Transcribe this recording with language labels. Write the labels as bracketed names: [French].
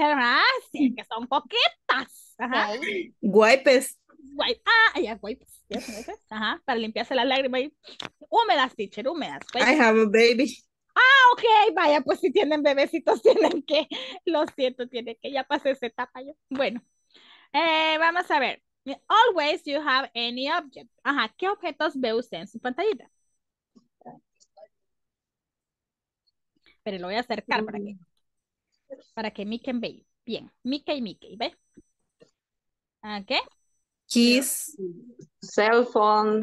[Spanish] Ah, sí, que son poquitas. [English] Ajá. Wipes. [Spanish] Wipes. Ajá. Para limpiarse las lágrimas. Húmedas, teacher, húmedas. [English] I have a baby. [Spanish] Ah, ok, vaya, pues si tienen bebecitos, tienen que, lo siento, tienen que, ya pasé esa etapa yo. Bueno, vamos a ver, [English] always you have any object. [Spanish] Ajá, ¿qué objetos ve usted en su pantallita? Pero lo voy a acercar para que Mickey ve, bien, Mickey, ¿ve? ¿Qué? [English] Keys, cell phone,